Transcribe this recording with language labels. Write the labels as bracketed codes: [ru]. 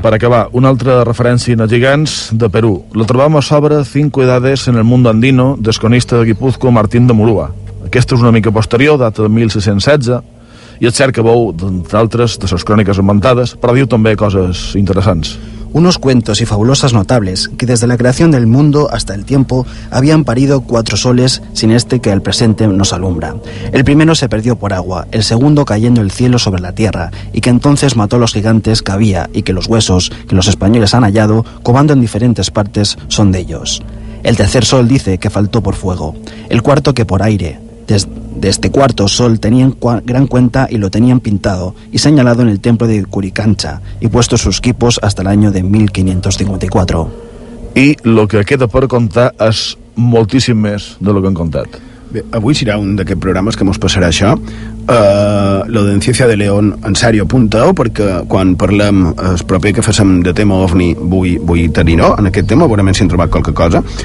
[ca] Per acabar, una altra referència en els gigants de Perú. La trobam a sobre 5 edades en el món andino del cronista de Guipúzcoa Martín de Murúa. Aquesta és una mica posterior, data de 1616, i és cert que veu, entre altres, de les cròniques inventades, però diu també coses interessants. [es] Unos cuentos y fabulosas notables que desde la creación del mundo hasta el tiempo habían parido 4 soles sin este que al presente nos alumbra. El primero se perdió por agua, el segundo cayendo el cielo sobre la tierra y que entonces mató a los gigantes que había y que los huesos que los españoles han hallado cobando en diferentes partes son de ellos. El tercer sol dice que faltó por fuego, el cuarto que por aire. De este cuarto sol tenían gran cuenta y lo tenían pintado y señalado en el templo de Curicancha y puesto sus equipos hasta el año de 1554. Y lo que queda por contar [ca] es moltíssim més de lo que han contat. Bé, avui serà un d'aquests programes que mos passarà això. Lo de Ciencia de León, en serio, apunta-ho, perquè quan parlem el propi que fem de tema ovni vull tenir-ho en aquest tema, veurem si hem trobat qualque cosa.